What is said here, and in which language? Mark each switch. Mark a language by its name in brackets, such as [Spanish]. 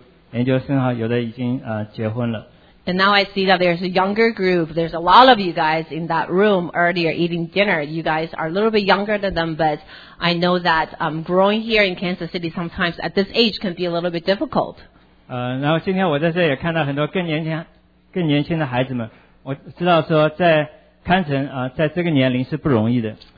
[Chinese] 我大概是16年前在这里和我一起和几位姊妹一同长大，他们现在有的是在读研究生，有的已经结婚了。 [English] And now I see that there's a younger group. There's a lot of you guys in that room earlier eating dinner. You guys are a little bit younger than them, but I know that growing here in Kansas City sometimes at this age can be a little bit difficult. [Chinese] 然后今天我在这也看到很多更年轻的孩子们。我知道说在康城，在这个年龄是不容易的。